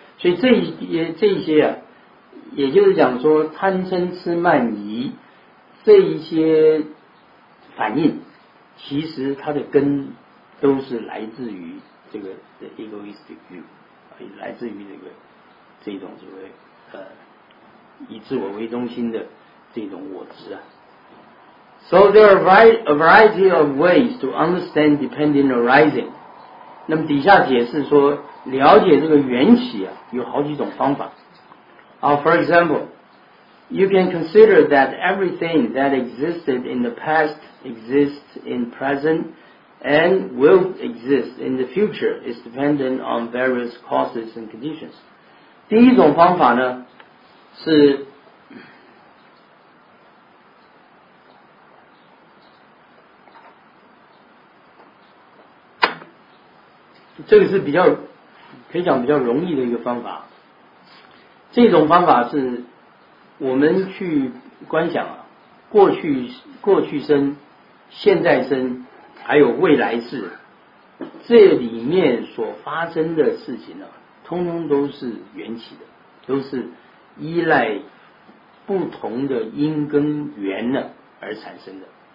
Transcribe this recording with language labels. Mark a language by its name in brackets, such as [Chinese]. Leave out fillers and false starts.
[Chinese] 所以这些啊，也就是讲说，贪嗔痴慢疑这一些反应，其实它的根都是来自于这个 [English] the egoistic view， [Chinese] 来自于这种所谓以自我为中心的这种我执啊。 [English] So there are a variety of ways to understand dependent arising。 [Chinese] 那么底下解释说，了解这个缘起啊，有好几种方法。 [English] For example, you can consider that everything that existed in the past exists in present and will exist in the future is dependent on various causes and conditions. [Chinese] 第一种方法呢，是这个是比较可以讲比较容易的一个方法。这种方法是我们去观想啊，过去生、现在生还有未来世，这里面所发生的事情啊，通通都是缘起的，都是依赖不同的因跟缘呢而产生的。